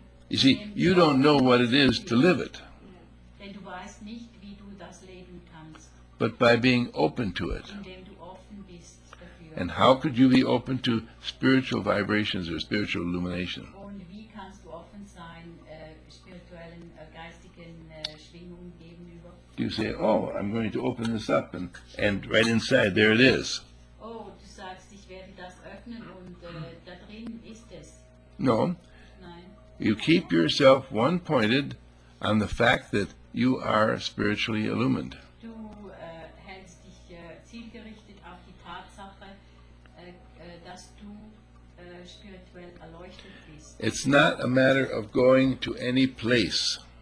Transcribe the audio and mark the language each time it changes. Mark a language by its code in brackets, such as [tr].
[en] You see, you don't know what it is to live it. [de] Denn du weißt nicht, wie du das leben kannst. [en] But by being open to it. [de] Indem du offen bist dafür. [en] And how could you be open to spiritual vibrations or spiritual illumination? [de] Und wie kannst du offen sein, spirituellen, geistigen Schwingungen gegenüber? [en] You say, oh, I'm going to open this up, and right inside, there it is. [de] Oh, du sagst, ich werde das öffnen, und da drin ist es. [en] No. [de] Nein. [en] You keep yourself one-pointed on the fact that you are spiritually illumined. [de] Du hältst dich zielgerichtet auf die Tatsache, dass du spirituell erleuchtet bist. [en] It's not a matter of going to any place.